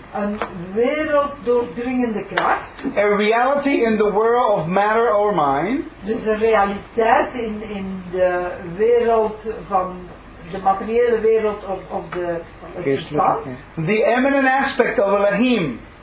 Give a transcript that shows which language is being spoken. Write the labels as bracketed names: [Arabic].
[Dutch] Een werelddoordringende kracht. [English] A reality in the world of matter or mind. [Dutch] Dus een realiteit in de wereld van de materiële wereld of de verstand. [English] Yeah. The eminent aspect of Elohim.